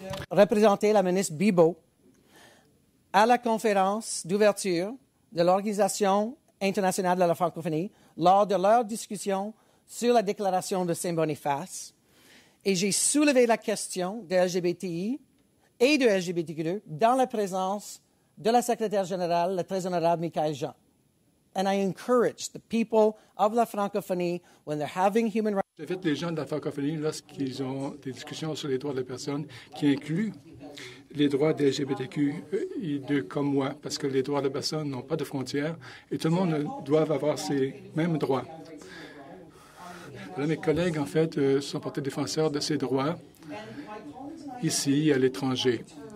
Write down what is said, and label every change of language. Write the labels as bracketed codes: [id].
[fr] représenté la ministre Bibo à la conférence d'ouverture de l'Organisation internationale de la francophonie lors de leur discussion sur la déclaration de Saint-Boniface. Et j'ai soulevé la question de LGBTI et de LGBTQ2 dans la présence de la secrétaire générale, le très honorable Michael Jean. [en] And I encourage the people of la francophonie when they're having human rights. [fr] J'invite les gens de la francophonie lorsqu'ils ont des discussions sur les droits de la personne qui incluent les droits des LGBTQI2 comme moi, parce que les droits de la personne n'ont pas de frontières et tout le monde doit avoir ces mêmes droits. Alors, mes collègues, en fait, sont portés défenseurs de ces droits ici à l'étranger.